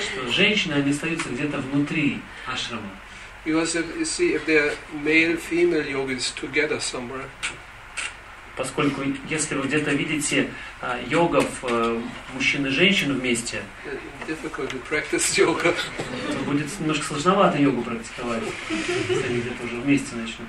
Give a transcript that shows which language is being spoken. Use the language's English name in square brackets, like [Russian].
[Russian] Женщины, они остаются где-то внутри ашрама. [English] Because if, you see, if they're male-female yogis together somewhere. [Russian] Поскольку если вы где-то видите йогов мужчин и женщин вместе, то будет немножко сложновато йогу практиковать, если они где-то уже вместе начнут